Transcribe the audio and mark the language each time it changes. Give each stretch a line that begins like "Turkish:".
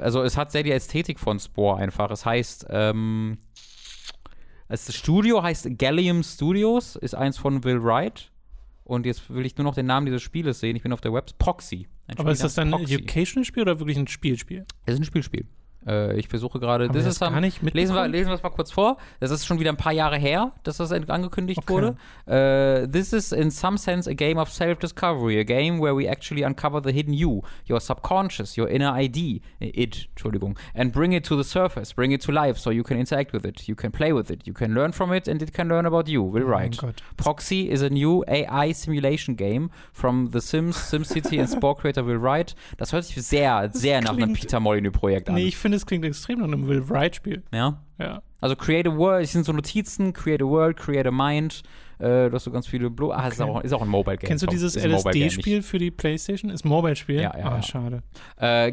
German: Also es hat sehr die Ästhetik von Spore einfach. Es heißt das Studio heißt Gallium Studios, ist eins von Will Wright. Und jetzt will ich nur noch den Namen dieses Spieles sehen. Ich bin auf der Webseite. Proxy. Aber ist das dann ein Educational-Spiel oder wirklich ein Spielspiel? Es ist ein Spielspiel. Ich versuche gerade, das ist gar nicht mitbekommen. Lesen wir es mal kurz vor. Das ist schon wieder ein paar Jahre her, dass das angekündigt wurde.
English: This is in some sense a game of self-discovery, a game where we actually uncover the hidden you, your subconscious, your inner ID, and bring it to the surface, bring it to life, so you can interact with it, you can play with it, you can learn from it, and it can learn about you. Will write. Proxy is a new AI simulation game from The Sims, SimCity and Spore Creator Will Wright.
German: Das hört sich sehr, sehr nach einem Peter Molyneux-Projekt an. Ich finde, es klingt extrem nach einem Will Wright-Spiel. Ja. Ja. Also,
English: create a world,
German: es sind so Notizen,
English: create a world, create a mind.
German: Du hast so ganz viele Blue. Ah, okay. ist auch ein Mobile-Game. Kennst du dieses LSD-Spiel für die PlayStation? Ist Mobile-Spiel? Ja, ja. Ah, ja. Schade.